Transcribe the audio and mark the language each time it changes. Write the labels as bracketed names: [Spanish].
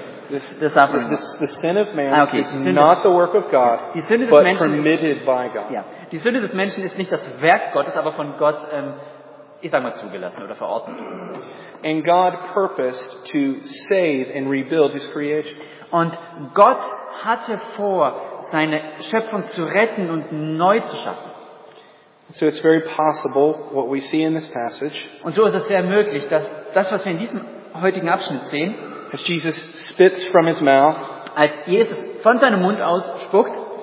[English] The sin of man is not the work of God, but permitted by God. [German] Ja. Die Sünde des Menschen ist nicht das Werk Gottes, aber von Gott, ich sag mal, zugelassen oder verordnet. [English] And God purposed to save and rebuild his creation. [German] Und Gott hatte vor, seine Schöpfung zu retten und neu zu schaffen. [English] So it's very possible what we see in this passage. [German] Und so ist es sehr möglich, dass das, was wir in diesem heutigen Abschnitt sehen, [English] as Jesus spits from his mouth, [German] als Jesus von seinem Mund aus spuckt,